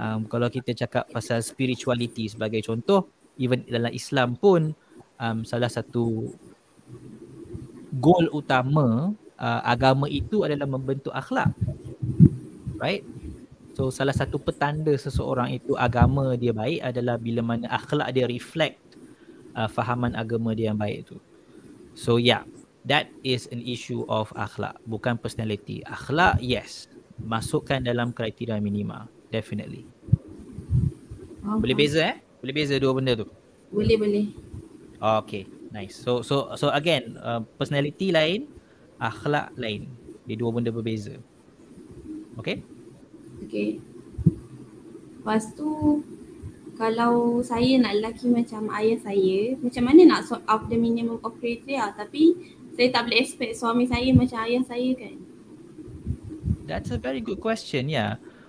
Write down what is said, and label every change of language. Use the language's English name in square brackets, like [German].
[Malay] Kalau kita cakap pasal spirituality sebagai contoh, even dalam Islam pun salah satu goal utama agama itu adalah membentuk akhlak. [English] Right? [Malay] So salah satu petanda seseorang itu agama dia baik adalah bila mana akhlak dia reflect fahaman agama dia yang baik itu. [English] So yeah, that is an issue of akhlak, [Malay] bukan personality. Akhlak yes, masukkan dalam kriteria minima, definitely. Boleh beza, boleh beza dua benda tu. Okay, Boleh, boleh. [English] Okay, nice. So so so again, [Malay] personality lain, akhlak lain. Dia dua benda berbeza. Okay? Okay. Lepas tu, kalau saya nak lelaki macam ayah saya, macam mana nak [English] sort out the minimum of criteria? [Malay] Tapi saya tak boleh expect suami saya macam ayah saya kan? [English] That's a very good question, yeah.